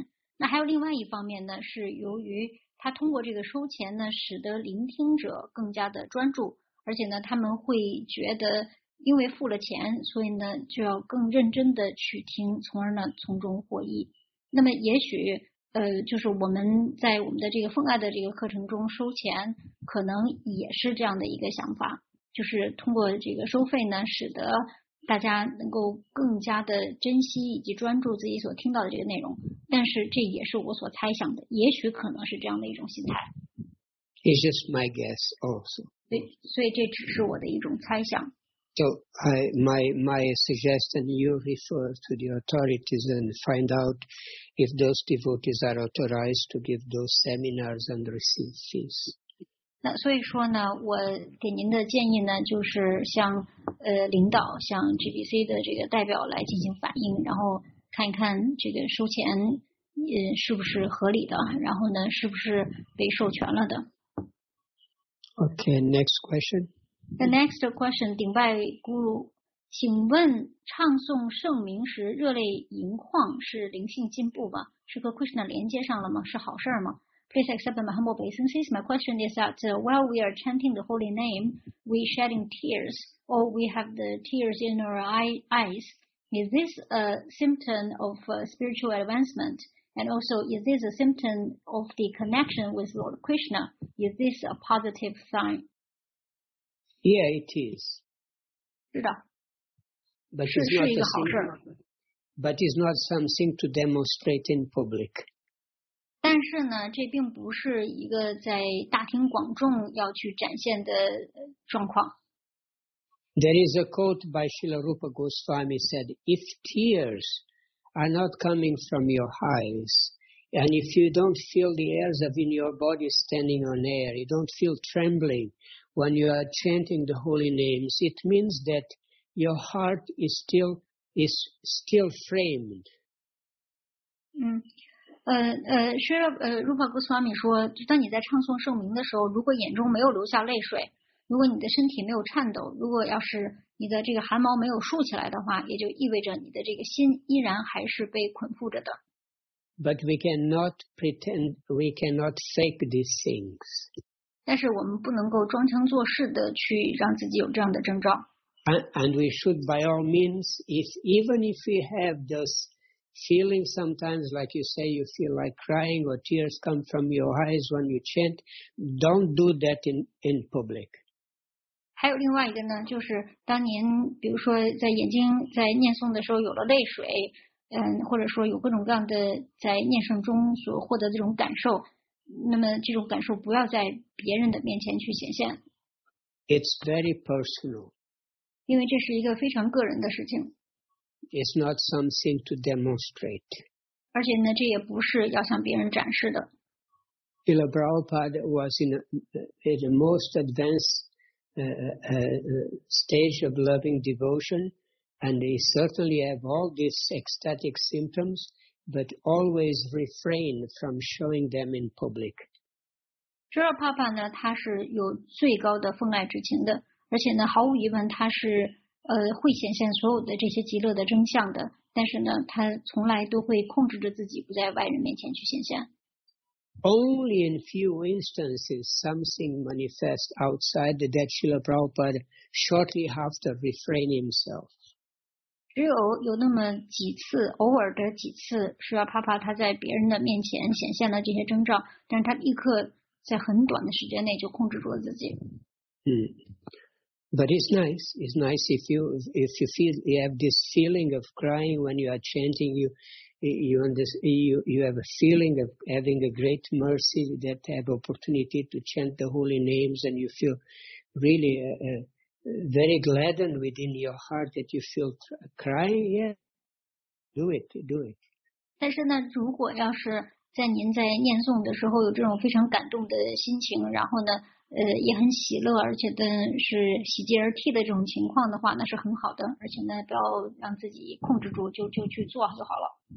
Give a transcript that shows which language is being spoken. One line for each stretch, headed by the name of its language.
Chinese: 那就是在咱们这个奉爱生活之外的一些这个培训情况中呢，他们会收钱。但他这个收钱呢，一方面呢是为了赚钱，那还有另外一方面呢，是由于 他通过这个收钱呢，使得聆听者更加的专注，而且呢，他们会觉得因为付了钱，所以呢就要更认真的去听，从而呢从中获益。那么也许，就是我们在我们的这个奉爱的这个课程中收钱，可能也是这样的一个想法，就是通过这个收费呢，使得大家能够更加的珍惜以及专注自己所听到的这个内容，但是这也是我所猜想的，也许可能是这样的一种心态。
English: It's just my guess also.
Chinese: 所以这只是我的一种猜想。
English: So my suggestion, you refer to the authorities and find out if those devotees are authorized to give those seminars and receive fees.
Chinese: 那所以说呢，我给您的建议呢，就是向领导，向 GBC 的这个代表来进行反映，然后看一看这个收钱是不是合理的，然后呢是不是被授权了的。
English: Okay, next question. The next question,
Chinese: 顶拜咕噜，请问唱诵圣名时热泪盈眶是灵性进步吗？是和 Krishna 连接上了吗？是好事吗？
English: Please accept my humble obeisances. My question is that while we are chanting the holy name, we shedding tears or we have the tears in our eyes. Is this a symptom of spiritual advancement? And also, is this a symptom of the connection with Lord Krishna? Is this a positive sign? Yeah, it is.
Chinese: 是的。
English: But it's not a symptom. But it's not something to demonstrate in public.
Chinese: 但是呢，这并不是一个在大庭广众要去展现的状况。
English: There is a quote by Srila Rupa Goswami said, "If tears." Are not coming from your eyes, and if you don't feel the airs of in your body standing on air, you don't feel trembling when you are chanting the holy names. It means that your heart is still framed.
Chinese: Rupa Goswami 说，当你在唱诵圣名的时候，如果眼中没有流下泪水，如果你的身体没有颤抖，如果要是你的这个汗毛没有竖起来的话，也就意味着你的这个心依然还是被捆缚着的。
English: But we cannot pretend, we cannot fake these things.
Chinese: 但是我们不能够装腔作势的去让自己有这样的征兆。
English: And we should, by all means, even if we have those feelings sometimes, like you say, you feel like crying or tears come from your eyes when you chant, don't do that in public.
Chinese: 还有另外一个呢，就是当您比如说在眼睛在念诵的时候有了泪水，或者说有各种各样的在念诵中所获得的这种感受，那么这种感受不要在别人的面前去显现。
English: It's very personal.
Chinese: 因为这是一个非常个人的事情。
English: It's not something to demonstrate.
Chinese: 而且呢，这也不是要向别人展示的。
English: Srila Prabhupada was in the most advancedstage of loving devotion, and he certainly have all these ecstatic symptoms, but always refrain from showing them in public.
Chinese: Srila Prabhupada 呢，他是有最高的奉爱之情的，而且呢，毫无疑问，他是会显现所有的这些极乐的真相的。但是呢，他从来都会控制着自己，不在外人面前去显现。
English: Only in few instances something manifests outside that Srila Prabhupada shortly after refrain himself.
Chinese: 只有有那么几次，偶尔的几次，是要怕怕他在别人的面前显现了这些征兆，但他立刻在很短的时间内就控制住了自己。
English: But it's nice. It's nice if you feel you have this feeling of crying when you are chanting you have a feeling of having a great mercy that have opportunity to chant the holy names, and you feel really very gladdened within your heart that you feel crying. Yeah, do it.
Chinese: 但是呢，如果要是在您在念诵的时候有这种非常感动的心情，然后呢，也很喜乐，而且呢是喜极而泣的这种情况的话，那是很好的。而且呢，不要让自己控制住，就去做就好了。